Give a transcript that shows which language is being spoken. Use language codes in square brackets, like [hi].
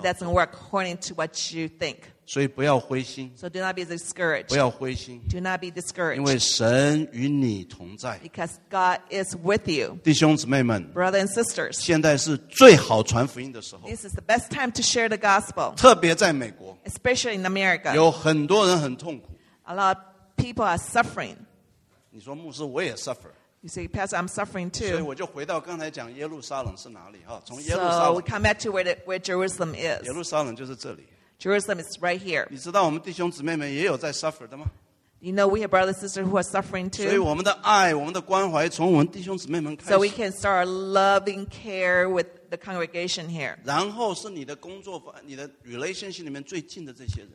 [en] 的。He doesn't work according to what you think. [zh] 所以不要灰心。 [en] So do not be discouraged. [zh] 不要灰心。 [en] Do not be discouraged. [zh] 因为神与你同在。 [en] Because God is with you. [zh] 弟兄姊妹们。 [en] Brothers and sisters. [zh] 现在是最好传福音的时候。 [en] This is the best time to share the gospel. [zh] 特别在美国。 [en] Especially in America. [zh] 有很多人很痛苦。 [en] A lot of people are suffering. [zh] 你说牧师我也 suffer. [en] You say, Pastor, I'm suffering too. [zh] 所以我就回到刚才讲耶路撒冷是哪里，从耶路撒冷。 [en] So we come back to where Jerusalem is. [zh] 耶路撒冷就是这里。 [en] Jerusalem is right here. [zh] 你知道我们弟兄姊妹们也有在 suffer 的吗？ [en] You know we have brothers and sisters who are suffering too. [zh] 所以我们的爱，我们的关怀从我们弟兄姊妹们开始。 [en] So we can start loving care with the congregation here. [zh] 然后是你的工作，你的 relationship 里面最近的这些人。